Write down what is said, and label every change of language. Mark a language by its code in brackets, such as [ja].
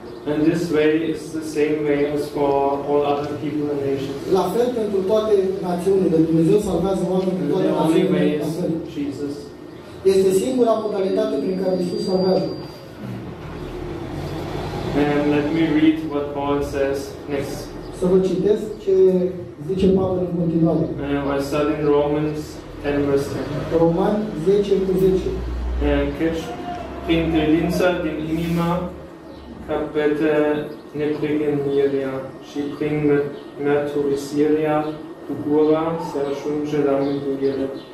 [en] And this way is the same way as for all other people and nations. [ro] La fel pentru toate națiunile, Dumnezeu salvează oamenii pe toate națiunile. [en] The only way is Jesus. [ro] Este singura modalitate prin care Iisus salvează. [en] And let me read what Paul says next. [ro] Să vă citesc ce zice Pavel în continuare. [en] I said in Romans 10 verse 10. [ro] Roman 10 cu 10. Prin credința din inima capete neprihănirea și prin mărturisirea cu gura se ajunge la mântuire.